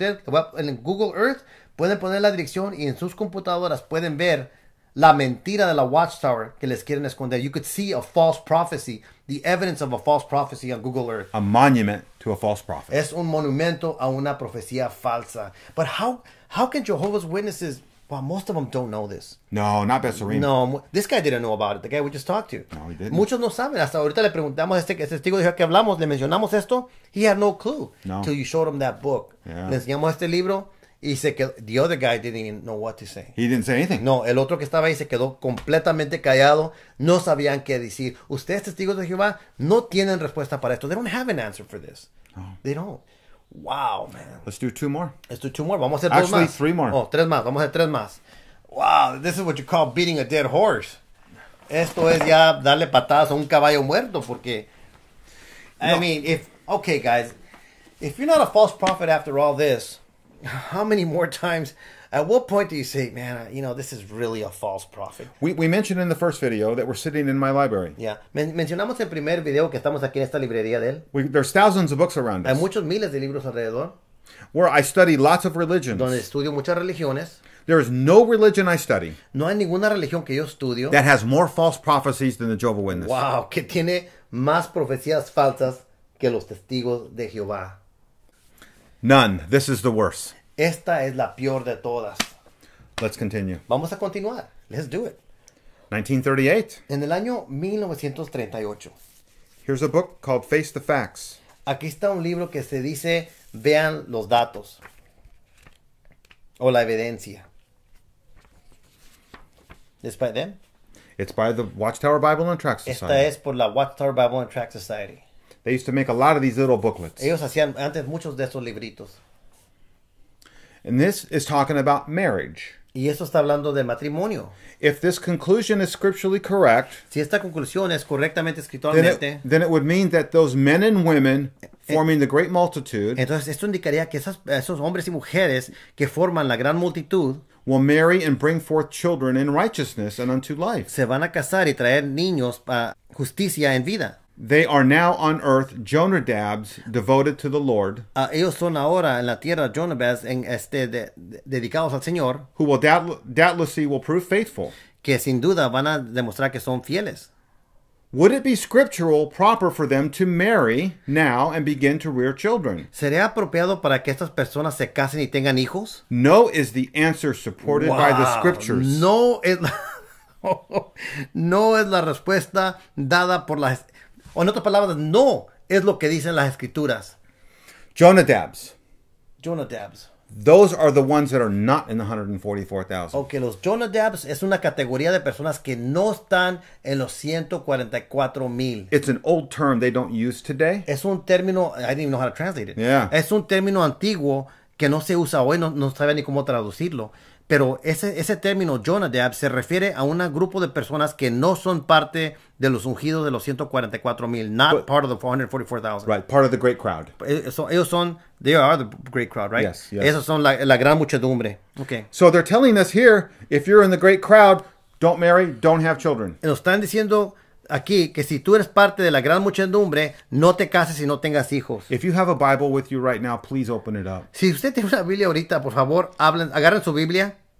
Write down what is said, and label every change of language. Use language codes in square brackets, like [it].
[es] Ustedes en Google Earth pueden poner la dirección, y en sus computadoras pueden ver la mentira de la Watchtower que les quieren esconder. [en] You could see a false prophecy, the evidence of a false prophecy on Google Earth. A monument to a false prophet. [es] Es un monumento a una profecía falsa. [en] But how can Jehovah's Witnesses... Well, most of them don't know this. No, not Bessarine. No, this guy didn't know about it. The guy we just talked to. No, he didn't. [es] Muchos no saben. Hasta ahorita le preguntamos a este testigo que hablamos, le mencionamos esto. [en] He had no clue. No. Until you showed him that book. Yeah. [es] Le enseñamos este libro y se quedó. [en] The other guy didn't even know what to say. He didn't say anything. [es] No, el otro que estaba ahí se quedó completamente callado. No sabían qué decir. Ustedes, testigos de Jehová, no tienen respuesta para esto. [en] They don't have an answer for this. No. They don't. Wow, man. Let's do two more. [es] Vamos a hacer [en] actually, [es] dos más. [en] Actually, three more. [es] Oh, tres más. Vamos a hacer tres más. [en] Wow, this is what you call beating a dead horse. [es] Esto es ya darle patadas a un caballo muerto porque... [en] No. I mean, if you're not a false prophet after all this, how many more times, at what point do you say, man, you know, this is really a false prophet? We mentioned in the first video that we're sitting in my library. Yeah. [es] Mencionamos el primer video que estamos aquí en esta librería de él. [en] There's thousands of books around us. [es] Hay muchos miles de libros alrededor. [en] Where I study lots of religions. [es] Donde estudio muchas religiones. [en] There is no religion I study. [es] No hay ninguna religión que yo estudio. [en] That has more false prophecies than the Jehovah's Witnesses. [es] Wow, que tiene más profecías falsas que los testigos de Jehová. [en] None. This is the worst. [es] Esta es la peor de todas. [en] Let's continue. [es] Vamos a continuar. [en] Let's do it. 1938. [es] En el año 1938. [en] Here's a book called Face the Facts. [es] Aquí está un libro que se dice Vean los datos. O la evidencia. [en] It's by them. It's by the Watchtower Bible and Tract Society. [es] Esta es por la Watchtower Bible and Tract Society. [en] They used to make a lot of these little booklets. [es] Ellos hacían antes muchos de esos libritos. [en] And this is talking about marriage. [es] Y eso está hablando de matrimonio. [en] If this conclusion is scripturally correct, [es] si esta conclusión es correctamente escritualmente, [en] then it would mean that those men and women forming the great multitude, [es] entonces esto indicaría que esos hombres y mujeres que forman la gran multitud, [en] will marry and bring forth children in righteousness and unto life. [es] Se van a casar y traer niños para justicia en vida. [en] They are now on earth, Jonadabs, devoted to the Lord. [es] Ellos son ahora en la tierra, Jonadabs, dedicados al Señor. [en] Who will doubtlessly will prove faithful. [es] Que sin duda van a demostrar que son fieles. [en] Would it be scriptural proper for them to marry now and begin to rear children? [es] ¿Sería apropiado para que estas personas se casen y tengan hijos? [en] No is the answer supported wow. by the scriptures. [es] No es no es la respuesta dada por las... O en otras palabras, no es lo que dicen las escrituras. Jonadabs. Jonadabs. [en] Those are the ones that are not in the 144,000. [es] Okay, los Jonadabs es una categoría de personas que no están en los 144,000. [en] It's an old term they don't use today. [es] Es un término, [en] I didn't even know how to translate it. Yeah. [es] Es un término antiguo que no se usa hoy, no sabe ni cómo traducirlo. Pero ese término Jonadab se refiere a un grupo de personas que no son parte de los ungidos de los 144,000, [en] not part of the 144,000. Right, part of the great crowd. So [es] ellos son, [en] they are the great crowd, right? Yes, yes. [es] Esos son la gran muchedumbre. Okay. [en] So they're telling us here, if you're in the great crowd, don't marry, don't have children. [es] Nos están diciendo aquí que si tú eres parte de la gran muchedumbre, no te cases y no tengas hijos. [en] If you have a Bible with you right now, please open it up. [es] Si usted tiene una Biblia ahorita, por favor, agarren su Biblia.